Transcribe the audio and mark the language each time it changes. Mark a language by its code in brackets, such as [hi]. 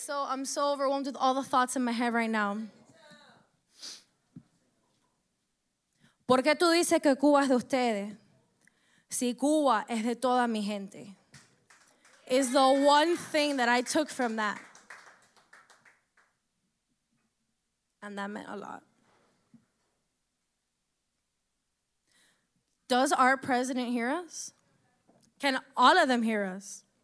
[en] I'm so overwhelmed with all the thoughts in my head right now. [es] ¿Por qué tú dices que Cuba es de ustedes? Si Cuba es de toda mi gente. [en] Is the one thing that I took from that. And that meant a lot. Does our president hear us? Can all of them hear us?